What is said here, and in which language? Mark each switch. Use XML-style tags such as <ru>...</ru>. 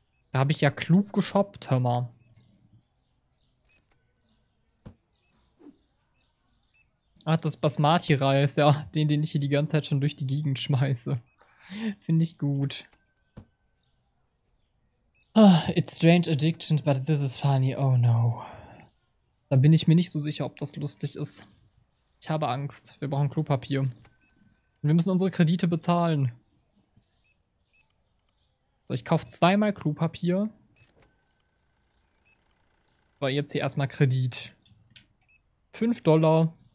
<de>Da habe ich ja klug geshoppt, hör mal. Ach, das Basmati-Reis, ja, den ich hier die ganze Zeit schon durch die Gegend schmeiße. Finde ich gut.</de> <en>Oh, it's strange addiction, but this is funny. Oh no.</en> <de>Da bin ich mir nicht so sicher, ob das lustig ist. Ich habe Angst. Wir brauchen Klopapier. Wir müssen unsere Kredite bezahlen. So, ich kaufe zweimal Klopapier. Aber jetzt hier erstmal Kredit. $5.</de>